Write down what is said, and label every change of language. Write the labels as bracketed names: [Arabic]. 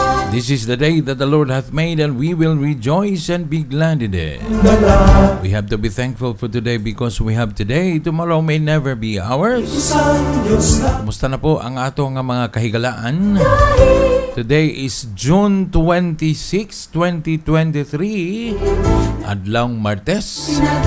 [English] This is the day that the Lord hath made and we will rejoice and be glad in it. We have to be thankful for today because we have today, tomorrow may never be ours. [Cebuano] Kumusta na po ang atong mga kahigalaan? [English] Today is June 26, 2023, [Cebuano] adlaw Martes.